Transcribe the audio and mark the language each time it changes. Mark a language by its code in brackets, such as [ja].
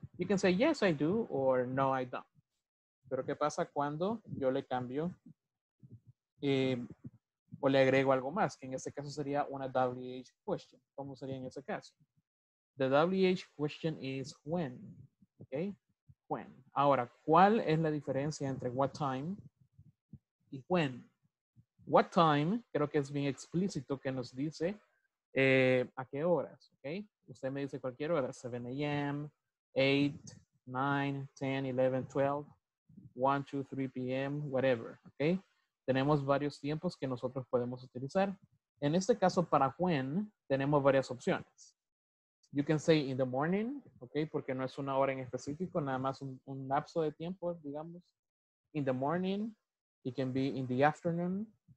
[en] You can say yes I do or no I don't. [es] Pero ¿qué pasa cuando yo le cambio o le agrego algo más? Que en este caso sería una WH question. ¿Cómo sería en ese caso? [en] The WH question is when. [es] Okay, when. Ahora, ¿cuál es la diferencia entre what time y when? What time, creo que es bien explícito que nos dice a qué horas, ¿ok? Usted me dice cualquier hora, 7 a.m., 8, 9, 10, 11, 12, 1, 2, 3 p.m., whatever, ¿ok? Tenemos varios tiempos que nosotros podemos utilizar. En este caso, para when, tenemos varias opciones. [en] You can say in the morning, ¿ok? [es] Porque no es una hora en específico, nada más un lapso de tiempo, digamos. [en] In the morning, it can be in the afternoon.